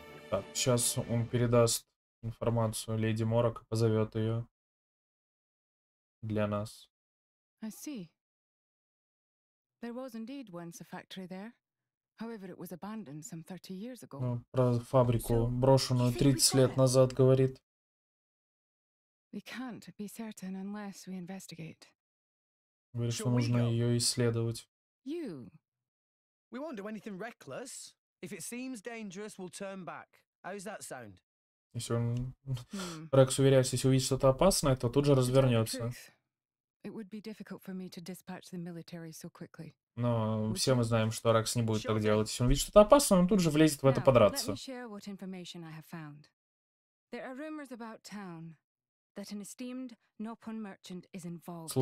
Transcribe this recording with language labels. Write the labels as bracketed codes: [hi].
[ru] Так, сейчас он передаст информацию леди Морок, позовет ее для нас. [en] I see. There was indeed once a factory there. However, it was abandoned some 30 years ago. [ru] Ну, про фабрику, брошенную 30 лет назад, говорит. [en] We can't be certain unless we investigate. [ru] Говорит, что нужно ее исследовать. [en] You. We won't do anything reckless. If it seems dangerous, we'll turn back. How's that sound? [ru] Если он, Рекс, уверяюсь, если увидит что-то опасное, то тут же развернется. [en] It would be difficult for me to dispatch the military so quickly. [ru] Но все мы знаем, что Рекс не будет так делать. Если он видит что-то опасное, он тут же влезет в это подраться. [en] Let me share what information I have found. There are rumors about town that an esteemed Nopon merchant is involved.